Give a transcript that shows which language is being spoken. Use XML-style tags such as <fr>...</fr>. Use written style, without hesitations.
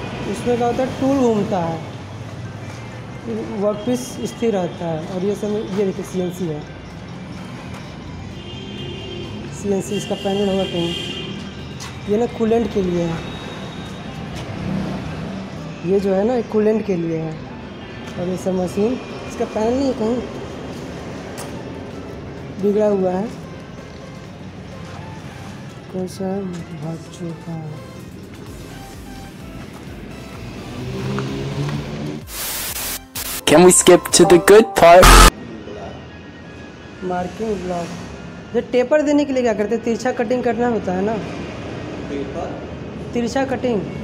<hi>इसमें क्या होता है, टूल घूमता है, वर्कपीस स्थिर रहता है, और ये सब ये देखिए सीएनसी है, सीएनसी इसका पैनल होगा कहीं, ये ना कूलेंट के लिए है, ये जो है ना कूलेंट के लिए है, और ये सब मशीन इसका पैनल नहीं कहीं बिगड़ा हुआ है, कौन सा भाग चुका है।</hi> <en>Can we skip to the good part? Marking block.</en> <hi>जो टेपर देने के लिए क्या करते हैं, तिरछा कटिंग करना होता है ना, तिरछा कटिंग</hi>